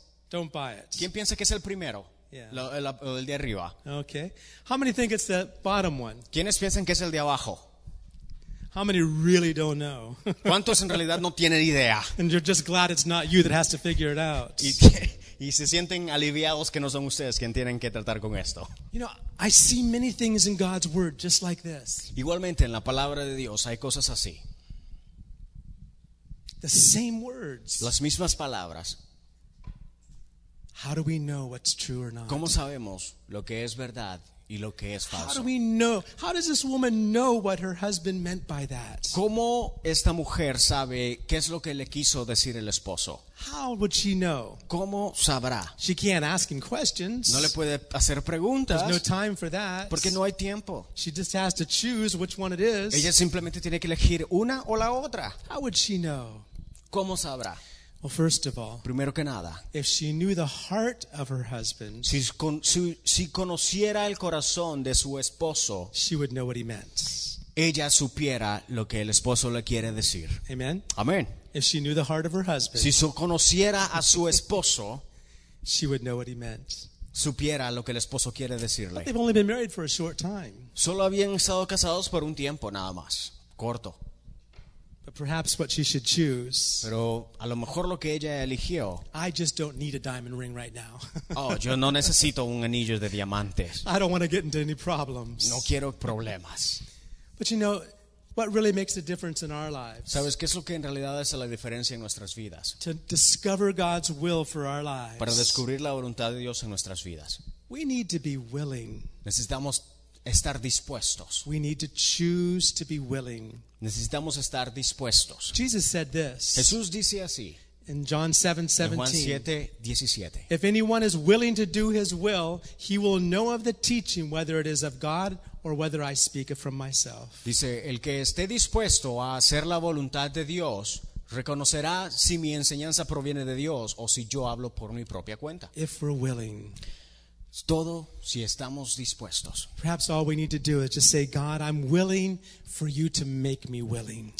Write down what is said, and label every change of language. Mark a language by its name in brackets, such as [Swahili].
[English] Don't buy it. [Spanish] ¿Quién piensa que es el primero? [English] Yeah. [Spanish] El de arriba. [English] Okay. How many think it's the bottom one? [Spanish] ¿Quiénes piensan que es el de abajo? [English] How many really don't know? [Spanish] ¿Cuántos en realidad no tienen idea? [English] And you're just glad it's not you that has to figure it out. [Spanish] Y se sienten aliviados que no son ustedes quienes tienen que tratar con esto. [English] You know, I see many things in God's word just like this. [Spanish] Igualmente en la palabra de Dios hay cosas así. [English] The same words. [Spanish] Las mismas palabras. [English] How do we know what's true or not? [Spanish] ¿Cómo sabemos lo que es verdad? Y lo que es falso. [English] How do we know? How does this woman know what her husband meant by that? [Spanish] ¿Cómo esta mujer sabe qué es lo que le quiso decir el esposo? [English] How would she know? [Spanish] ¿Cómo sabrá? [English] She can't ask him questions. [Spanish] No le puede hacer preguntas. [English] There's no time for that. [Spanish] Porque no hay tiempo. [English] She just has to choose which one it is. [Spanish] Ella simplemente tiene que elegir una o la otra. [English] How would she know? [Spanish] ¿Cómo sabrá? [English] Well, first of all, [Spanish] primero que nada, [English] if she knew the heart of her husband, [Spanish] si conociera el corazón de su esposo, [English] she would know what he meant. [Spanish] Ella supiera lo que el esposo le quiere decir. [English] Amen. [Spanish] Amen. [English] If she knew the heart of her husband, [Spanish] si conociera a su esposo, [English] she would know what he meant. [Spanish] Supiera lo que el esposo quiere decirle. [English] But they've only been married for a short time. [Spanish] Solo habían estado casados por un tiempo, nada más, corto. [English] But perhaps what she should choose. [Spanish] Pero a lo mejor lo que ella eligió. [English] I just don't need a diamond ring right now. [Spanish] Oh, yo no necesito un anillo de diamantes. [English] I don't want to get into any problems. [Spanish] No quiero problemas. [English] But you know, what really makes a difference in our lives? [Spanish] ¿Sabes qué es lo que en realidad hace la diferencia en nuestras vidas? [English] To discover God's will for our lives. [Spanish] Para descubrir la voluntad de Dios en nuestras vidas. [English] We need to be willing. [Spanish] Necesitamos estar dispuestos. [English] We need to choose to be willing. [Spanish] Necesitamos estar dispuestos. [English] Jesus said this. [Spanish] Jesús dice así. [English] In John 7:17. If anyone is willing to do his will, he will know of the teaching whether it is of God or whether I speak it from myself. [Spanish] Dice, el que esté dispuesto a hacer la voluntad de Dios, reconocerá si mi enseñanza proviene de Dios o si yo hablo por mi propia cuenta. [English] If we're willing. [Spanish] Todo si estamos dispuestos. [English] Perhaps all we need to do is just say, God, I'm willing for you to make me willing.